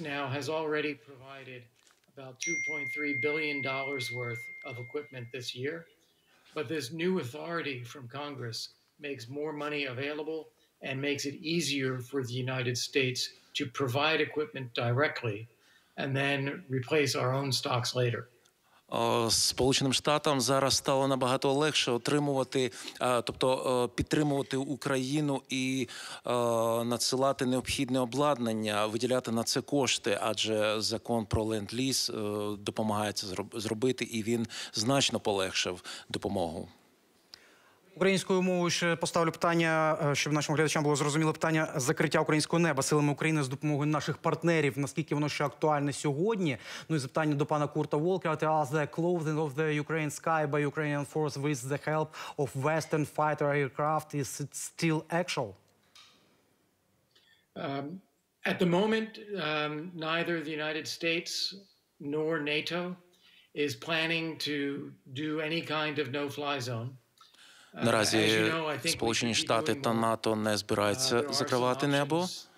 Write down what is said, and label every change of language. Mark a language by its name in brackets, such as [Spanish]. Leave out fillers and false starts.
[English] now has already provided about $2.3 billion worth of equipment this year, but this new authority from Congress makes more money available and makes it easier for the United States to provide equipment directly and then replace our own stocks later. [Ukrainian] Сполученим Штатам зараз стало набагато легше отримувати, тобто підтримувати Україну і надсилати необхідне обладнання, виділяти на це кошти, адже закон про ленд-ліз допомагає це зробити, і він значно полегшив допомогу. Українською мовою ще поставлю питання, щоб нашим глядачам було зрозуміло питання закриття українського неба силами України з допомогою наших партнерів. Наскільки воно ще актуальне сьогодні? Ну і запитання до пана Курта Волкера. [English] Ти ask the closing of the Ukraine sky by Ukrainian force with the help of Western fighter aircraft. Is it still actual? At the moment, neither the United States nor NATO is planning to do any kind of no-fly zone. [Ukrainian] Наразі Сполучені Штати та НАТО не збираються закривати небо.